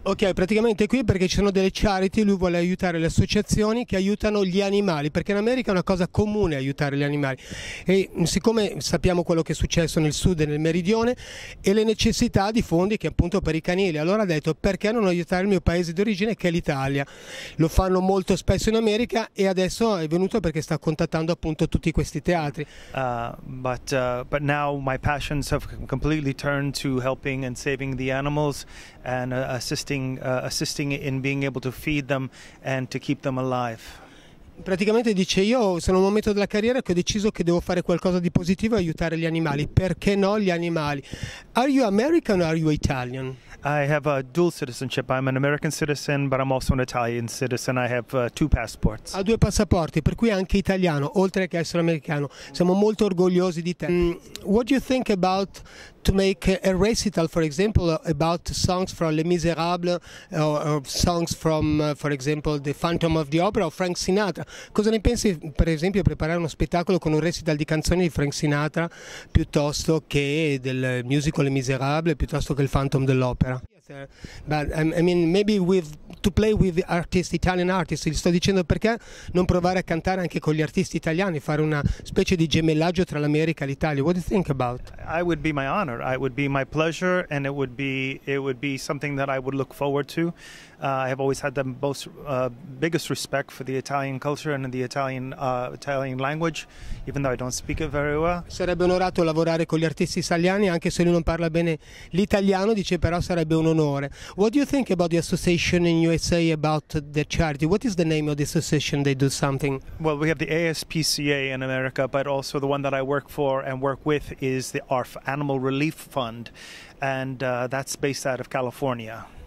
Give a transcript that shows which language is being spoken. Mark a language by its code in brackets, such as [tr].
[it] Ok, praticamente qui perché ci sono delle charity, lui vuole aiutare le associazioni che aiutano gli animali, perché in America è una cosa comune aiutare gli animali, e siccome sappiamo quello che è successo nel sud e nel meridione e le necessità di fondi che appunto per i canili, allora ha detto perché non aiutare il mio paese d'origine che è l'Italia. Lo fanno molto spesso in America e adesso è venuto perché sta contattando appunto tutti questi teatri. [en] But now my passions have completely turned to helping and saving the animals and assisting in being able to feed them and to keep them alive. [it] Praticamente dice, io sono a un momento della carriera che ho deciso che devo fare qualcosa di positivo e aiutare gli animali. Perché no gli animali? [en] Are you American or are you Italian? I have a dual citizenship. I'm an American citizen, but I'm also an Italian citizen. I have two passports. [it] Ha due passaporti, per cui anche italiano, oltre che essere americano. Siamo molto orgogliosi di te. [en] What do you think about to make a recital, for example, about songs from Les Misérables or songs from, for example, The Phantom of the Opera or Frank Sinatra? [it] Cosa ne pensi, per esempio, preparare uno spettacolo con un recital di canzoni di Frank Sinatra piuttosto che del musical Les Misérables, piuttosto che il Phantom dell'Opera? [en] But I mean, maybe with to play with artists, Italian artists. [it] Gli sto dicendo perché non provare a cantare anche con gli artisti italiani, fare una specie di gemellaggio tra l'America e l'Italia. [en] What do you think about? I would be my honor. It would be my pleasure, and it would be something that I would look forward to. I have always had the most biggest respect for the Italian culture and the Italian language, even though I don't speak it very well. [it] Sarebbe onorato lavorare con gli artisti italiani, anche se lui non parla bene l'italiano. Dice però sarebbe un onore. [en] What do you think about the association in USA about the charity? What is the name of the association? They do something. Well, we have the ASPCA in America, but also the one that I work for and work with is the ARF, Animal Relief Fund, and that's based out of California.